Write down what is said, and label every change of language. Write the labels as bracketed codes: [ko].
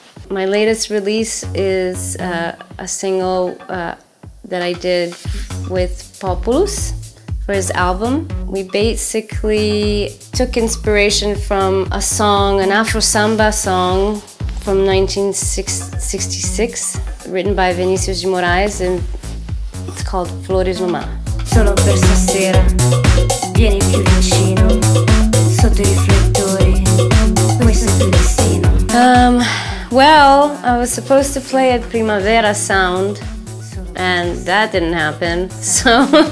[en] My latest release is a single that I did with Populus for his album. We basically took inspiration from a song, an Afro Samba song from 1966. Written by Vinicius de Moraes, and it's called Flores no Mar. [it] Solo per stasera, vieni più vicino, sotto I riflettori, questo è il destino. [en] Well, I was supposed to play at Primavera Sound, and that didn't happen, so...